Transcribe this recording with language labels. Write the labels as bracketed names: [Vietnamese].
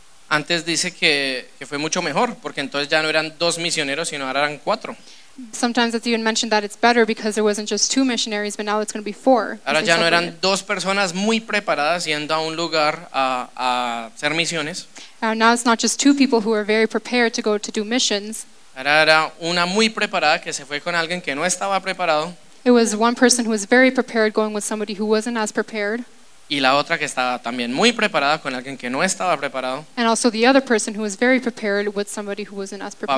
[Spanish] Antes dice que fue mucho mejor, porque entonces ya no eran dos misioneros, sino ahora eran cuatro. [English] Sometimes it's even mentioned that it's better because there wasn't just two missionaries, but now it's going to be four. [Spanish] Ahora ya no eran dos personas muy preparadas yendo a un lugar a hacer misiones. [English] Now it's not just two people who are very prepared to go to do missions. [Spanish] Ahora era una muy preparada que se fue con alguien que no estaba preparado. [English] It was one person who was very prepared going with somebody who wasn't as prepared. [Spanish] Y la otra que estaba también muy preparada con alguien que no estaba preparado. [English] And also the other person who was very prepared with somebody who wasn't as prepared.